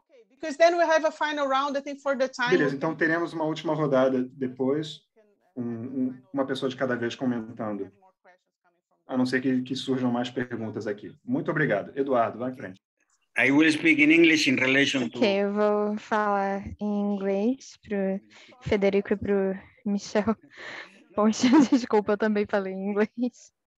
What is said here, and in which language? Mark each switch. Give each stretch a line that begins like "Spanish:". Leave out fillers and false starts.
English: Because then we have a final round, I think, for the time.
Portuguese: Beleza, então teremos uma última rodada depois, uma pessoa de cada vez comentando, a não ser que surjam mais perguntas aqui. Muito obrigado. Eduardo, vai em frente.
English: I will speak in English in relation to...
Portuguese: Ok, eu vou falar em inglês para o Federico e para o Michel. Poxa, desculpa, eu também falei em inglês.